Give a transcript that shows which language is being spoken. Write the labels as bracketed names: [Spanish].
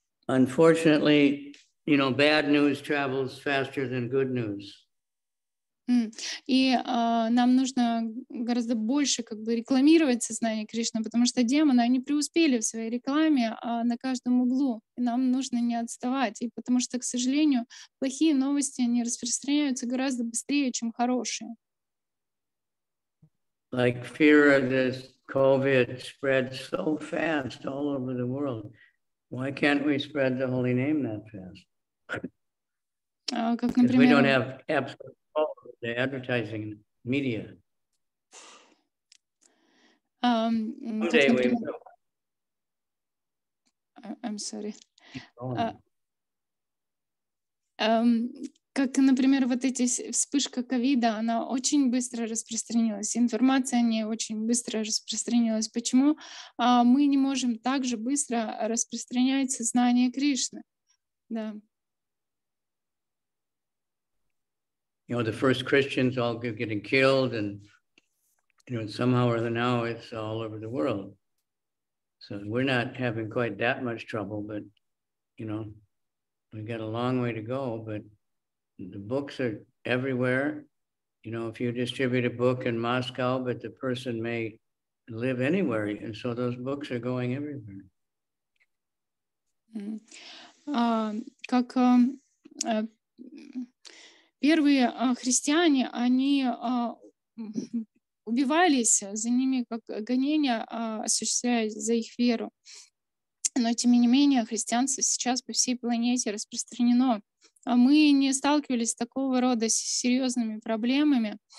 [English] Unfortunately, you know, bad news travels faster than good news. [Russian] И нам нужно гораздо больше рекламировать сознание Кришны, потому что демоны, они преуспели в своей рекламе на каждом углу, и нам нужно не отставать, и потому что, к сожалению, плохие новости, они распространяются гораздо быстрее, чем хорошие. [English] Like fear of this COVID spread so fast all over the world. Why can't we spread the holy name that fast? [Russian] Как, например, [English] we don't have absolute... the advertising media. [Russian] Как, например, вот эти вспышка ковида, она очень быстро распространилась. Информация о ней очень быстро распространилась. Почему мы не можем так же быстро распространять сознание Кришны? Да. [English] You know, the first Christians all getting killed, and you know, somehow or other now it's all over the world. So we're not having quite that much trouble, but you know, we got a long way to go. But the books are everywhere. You know, if you distribute a book in Moscow, but the person may live anywhere, and so those books are going everywhere. [Russian] Первые христиане, они убивались, за ними как гонения осуществлялись за их веру. Но тем не менее христианство сейчас по всей планете распространено. А мы не сталкивались с такого рода серьезными проблемами.